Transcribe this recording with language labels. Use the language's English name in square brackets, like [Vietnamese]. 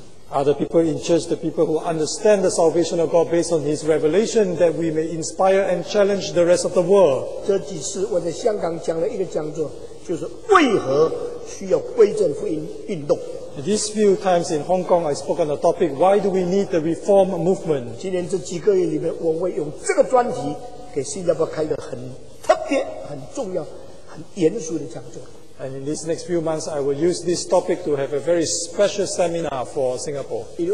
[English] Are the people in church the people who understand the salvation of God based on His revelation that we may inspire and challenge the rest of the world? [Chinese] 这几次我在香港讲了一个讲座, 就是为何需要归正福音运动? [English] These few times in Hong Kong, I spoke on the topic, why do we need the reform movement? [Chinese] 今年这几个月里面, 我会用这个专题给新加坡开一个很特别、很重要、很严肃的讲座。 [English] And in these next few months, I will use this topic to have a very special seminar for Singapore.